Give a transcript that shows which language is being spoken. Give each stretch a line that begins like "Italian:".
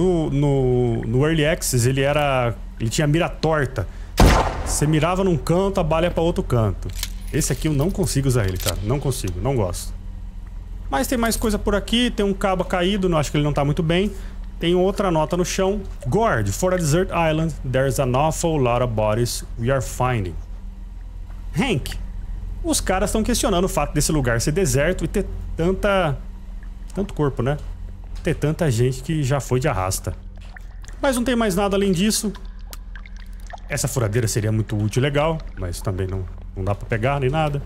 Portuguese: No Early Access ele era... Ele tinha mira torta. Você mirava num canto, a bala ia pra outro canto. Esse aqui eu não consigo usar ele, cara. Não consigo, não gosto. Mas tem mais coisa por aqui. Tem um cabo caído, não acho que ele não tá muito bem. Tem outra nota no chão.
English: Guard, for a desert island, there's an awful lot of bodies we are finding.
Portuguese: Hank, os caras estão questionando o fato desse lugar ser deserto e ter tanto corpo, né? Ter tanta gente que já foi de arrasta. Mas não tem mais nada além disso. Essa furadeira seria muito útil e legal, mas também não dá pra pegar nem nada.